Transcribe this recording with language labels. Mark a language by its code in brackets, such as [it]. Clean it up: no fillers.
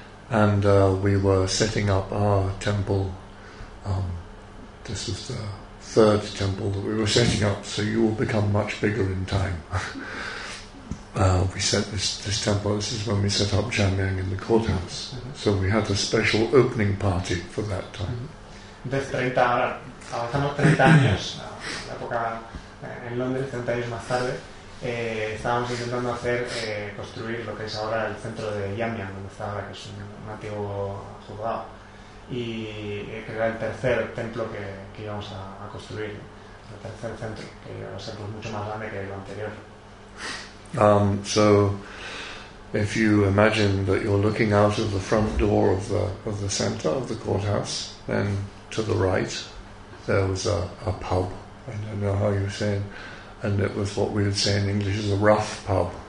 [en] And we were setting up our temple. This was the third temple that we were setting up, so you will become much bigger in time. We set this temple, this is when we set up Jamyang in the courthouse. Mm-hmm. So we had a special opening party for that time. [es] Entonces, 30, ahora, avanzamos 30 años, la época en Londres, 30 años más tarde, estábamos intentando hacer construir lo que es ahora el centro de Jamyang, donde está ahora, que es un antiguo juzgado, y que era el tercer templo que íbamos a construir, ¿no? El tercer centro, que iba a ser pues mucho más grande que lo anterior. [en] So if you imagine that you're looking out of the front door of the center of the courthouse, then to the right there was a pub. I don't know how you say it. And it was what we would say in English is a rough pub.